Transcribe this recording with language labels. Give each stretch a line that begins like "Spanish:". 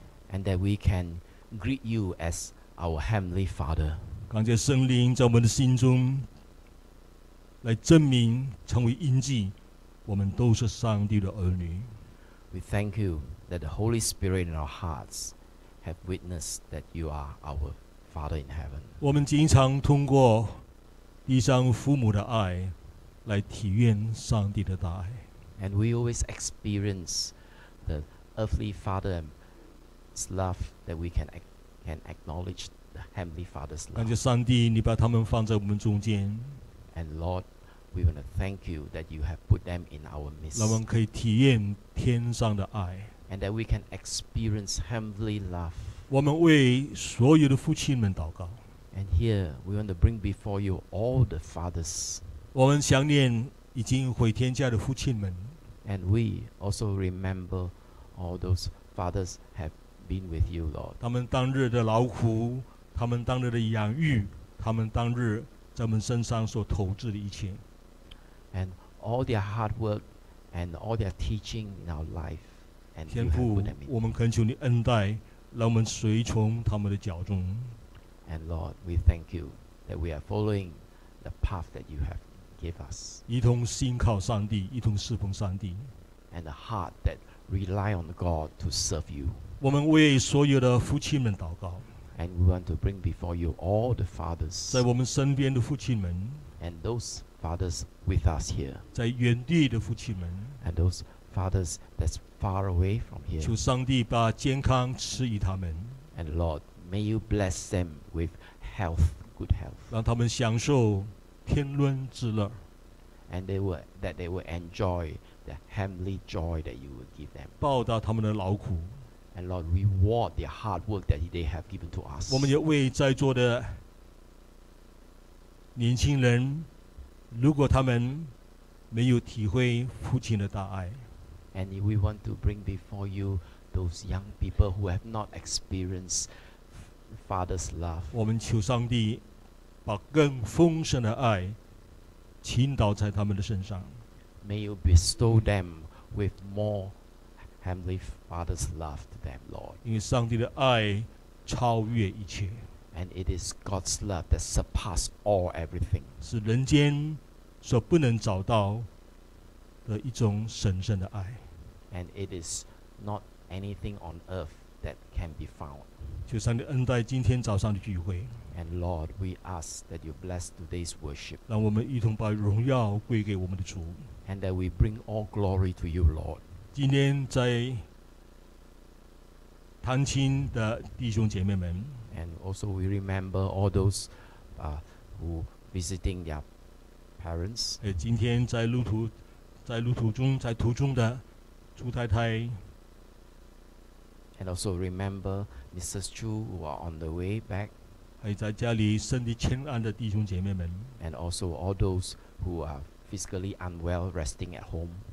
English: And that we can greet you as our heavenly Father.
Chinese: 感谢圣灵在我们的心中来证明，成为印记，我们都是上帝的儿女。
English: We thank you that the Holy Spirit in our hearts have witnessed that you are our Father in heaven.
Chinese: 我们经常通过地上父母的爱来体验上帝的大爱。
English: And we always experience the earthly Father's love that we can acknowledge the heavenly Father's love.
Chinese: 感谢上帝，你把他们放在我们中间。
English: And Lord, we want to thank you that you have put them in our midst.
Chinese: 让我们可以体验天上的爱。
English: And that we can experience heavenly love.
Chinese: 我们为所有的父亲们祷告。
English: And here, we want to bring before you all the fathers.
Chinese: 我们想念已经回天家的父亲们。
English: And we also remember all those fathers have been with you, Lord.
Chinese: 他们当日的劳苦，他们当日的养育，他们当日在我们身上所投资的一切。
English: And all their hard work and all their teaching in our life. And
Chinese: 天父，我们恳求你恩待，让我们随从他们的脚中。
English: And Lord, we thank you that we are following the path that you have given us.
Chinese: 一同信靠上帝，一同侍奉上帝。
English: And a heart that rely on God to serve you.
Chinese: 我们为所有的父亲们祷告。
English: And we want to bring before you all the fathers.
Chinese: 在我们身边的父亲们。
English: And those fathers with us here.
Chinese: 在远地的父亲们。
English: And those fathers that's far away from here.
Chinese: 求上帝把健康赐予他们。
English: And Lord,May you bless them with health, good health.
Chinese: 让他们享受天伦之乐。
English: And they will enjoy the heavenly joy that you will give them.
Chinese: 报答他们的劳苦。
English: And Lord, reward their hard work that they have given to us.
Chinese: 我们也为在座的年轻人，如果他们没有体会父亲的大爱。
English: And we want to bring before you those young people who have not experienced. Father's love.
Chinese: 我们求上帝把更丰盛的爱倾倒在他们的身上。
English: May you bestow them with more heavenly Father's love to them, Lord.
Chinese: 因为上帝的爱超越一切。
English: And it is God's love that surpasses all everything.
Chinese: 是人间所不能找到的一种神圣的爱。
English: And it is not anything on earth that can be found.
Chinese: 求上帝恩待今天早上的聚会。
English: And Lord, we ask that you bless today's worship.
Chinese: 让我们一同把荣耀归给我们的主。
English: And that we bring all glory to you, Lord.
Chinese: 今天在探亲的弟兄姐妹们。
English: And also we remember all those who visiting their parents.
Chinese: 今天在途中的朱太太。
English: And also remember Mrs. Chu who are on the way back.
Chinese: 还在家里身体欠安的弟兄姐妹们。
English: And also all those who are physically unwell resting at home.